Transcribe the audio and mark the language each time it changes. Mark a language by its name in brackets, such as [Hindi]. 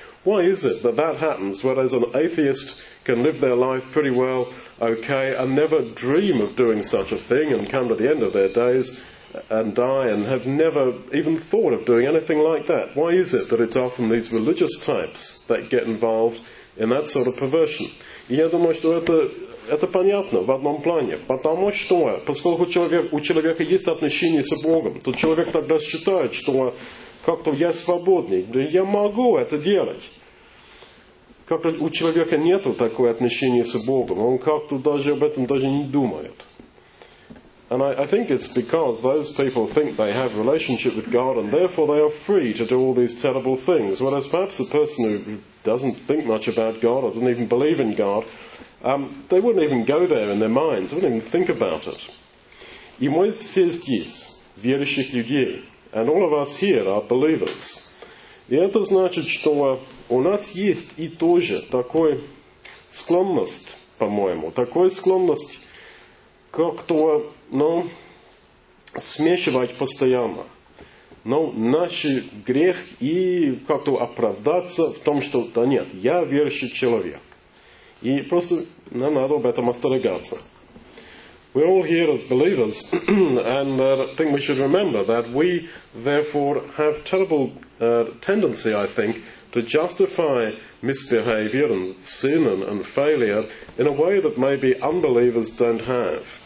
[English] Why is it that that happens, whereas an atheist can live their life pretty well, okay, and never dream of doing such a thing and come to the end of their days and die and have never even thought of doing anything like that? Why is it that it's often these religious types that get involved in that sort of perversion? [Russian] И я думаю, что это понятно в одном плане. Потому что, поскольку у человека есть отношения с Богом, то человек тогда считает, что как-то я свободный, я могу это делать. Как-то у человека нет такого отношения с Богом, он как-то даже об этом даже не думает. [English] And I think it's because those people think they have a relationship with God and therefore they are free to do all these terrible things. Whereas perhaps a person who doesn't think much about God or doesn't even believe in God, they wouldn't even go there in their minds, they wouldn't even think about it. [Russian] И мы все здесь, верующих людей, [English] and all of us here are believers. [Russian] И это значит, что у нас есть и тоже такой склонность, по-моему, такой склонность как-то, смешивать постоянно. Наш грех и как-то оправдаться в том, что, да нет, я верующий человек. И просто нам надо об этом остерегаться. [English] We're all here as believers, and I think we should remember that we, therefore, have terrible tendency, I think, to justify misbehavior and sin and failure in a way that maybe unbelievers don't have.